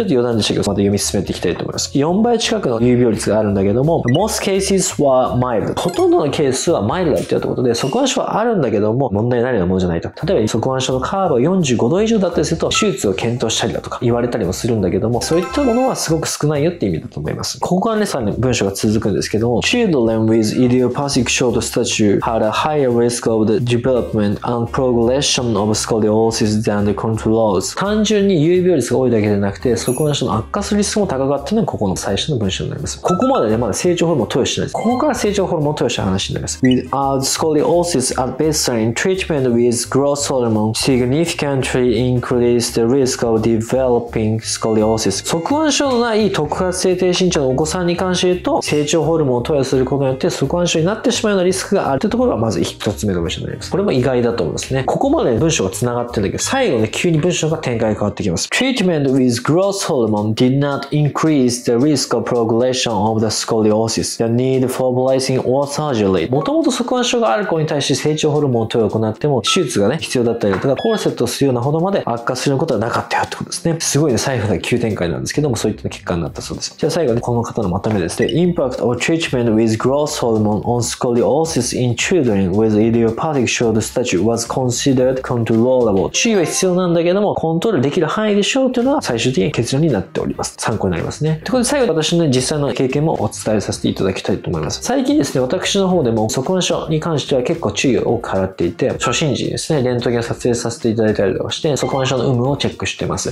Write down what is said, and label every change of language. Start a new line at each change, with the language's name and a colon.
Japanese: ちょっと余談でしたけど、また読み進めていきたいと思います。4倍近くの有病率があるんだけども、
English: most cases were mild、
Japanese: ほとんどのケースはマイルドだということで、側弯症はあるんだけども問題ないようなものじゃないと。例えば側弯症のカーブが45度以上だったりすると手術を検討したりだとか言われたりもするんだけども、そういったものはすごく少ないよって意味だと思います。ここはねさらに文章が続くんですけども、
English: Children withidiopathic short stature had a higher risk of the development and progression of scoliosis than the controls。
Japanese: 単純に有病率が多いだけでなくて、側弯症の悪化するリスクも高かったのがここの最初の文章になります。ここまでね、まだ成長ホルモンを投与してないです。ここから成長ホルモンを投与した話になります。
English: Without scoliosis at baseline, treatment with growth hormone significantly increased the risk of developing scoliosis。
Japanese: 側弯症のない特発性低身長のお子さんに関して言うと、成長ホルモンを投与することによって側弯症になってしまうようなリスクがあるというところがまず一つ目の文章になります。これも意外だと思いますね。ここまで文章が繋がってるんだけど、最後で急に文章が展開が変わってきます。
English: Treatment with growth hormone did not increase the risk of progression of the scoliosis, the need for bracing or surgery。
Japanese: もともと側弯症がある子に対して成長ホルモンを投与を行っても手術がね必要だったりとか、コルセットするようなほどまで悪化することはなかったよってことですね。すごいね、最後で急展開なんですけども、そういった結果になったそうです。じゃあ最後ね、この方のまとめです。
English: The impact of treatment with growth hormone on scoliosis in children with idiopathic short stature was considered controllable。
Japanese: 注意は必要なんだけども、コントロールできる範囲でしょうというのは最終的に結論になっております。参考になりますね。ということで、最後私の実際の経験もお伝えさせていただきたいと思います。最近ですね、私の方でも側弯症に関しては結構注意を多く払っていて、初心時にですねレントゲンを撮影させていただいたりとかして、側弯症の有無をチェックしてます。